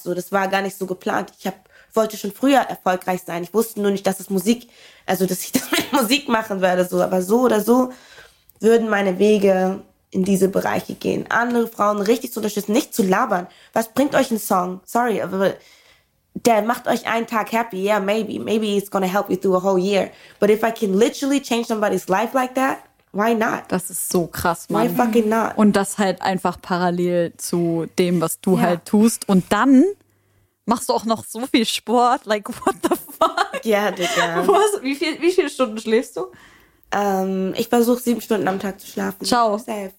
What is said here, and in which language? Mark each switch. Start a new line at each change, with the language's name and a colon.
German: So, das war gar nicht so geplant. Ich wollte schon früher erfolgreich sein. Ich wusste nur nicht, dass es Musik, also dass ich das mit Musik machen werde. So, aber so oder so würden meine Wege in diese Bereiche gehen. Andere Frauen richtig zu unterstützen, nicht zu labern. Was bringt euch ein Song? Sorry, aber der macht euch einen Tag happy.
English: Yeah, maybe. Maybe it's gonna help you through a whole year. But if I can literally change somebody's life like that, why not?
German: Das ist so krass, Mann.
English: Why fucking not?
German: Und das halt einfach parallel zu dem, was du halt tust. Und dann machst du auch noch so viel Sport.
English: Like, what the fuck?
German: Ja, Digga. Wie viele Stunden schläfst du? Ich versuche 7 Stunden am Tag zu schlafen. Ciao. Safe.